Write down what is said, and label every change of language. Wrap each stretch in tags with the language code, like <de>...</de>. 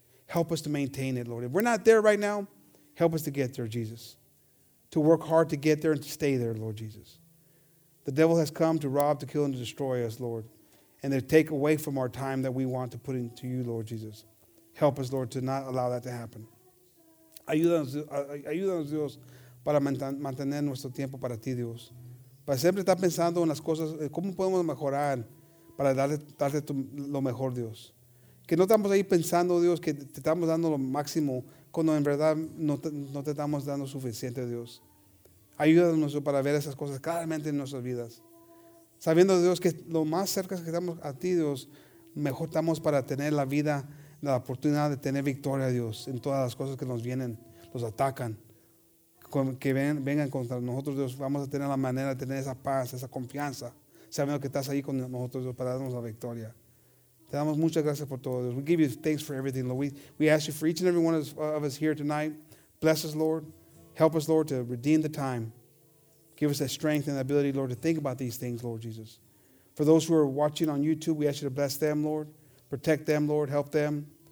<en>Help us to maintain it, Lord. If we're not there right now, help us to get there, Jesus, to work hard to get there and to stay there, Lord Jesus. The devil has come to rob, to kill, and to destroy us, Lord, and to take away from our time that we want to put into you, Lord Jesus. Help us, Lord, to not allow that to happen.</en> <es>Ayúdanos, Dios, para mantener nuestro tiempo para ti, Dios. Para siempre estar pensando en las cosas, cómo podemos mejorar para darte lo mejor, Dios. Que no estamos ahí pensando, Dios, que te estamos dando lo máximo cuando en verdad no te estamos dando suficiente, Dios. Ayúdanos para ver esas cosas claramente en nuestras vidas. Sabiendo Dios que lo más cerca que estamos a ti, Dios, mejor estamos para tener la vida, la oportunidad de tener victoria, Dios, en todas las cosas que nos vienen, nos atacan, que vengan contra nosotros, Dios. Vamos a tener la manera de tener esa paz, esa confianza, sabiendo que estás ahí con nosotros, Dios, para darnos la victoria. Te damos muchas gracias por todo, Dios.</es> <en>We give you thanks for everything, Lord. We ask you for each and every one of us here tonight. Bless us, Lord. Help us, Lord, to redeem the time. Give us the strength and the ability, Lord, to think about these things, Lord Jesus. For those who are watching on YouTube, we ask you to bless them, Lord. Protect them, Lord. Help them.</en>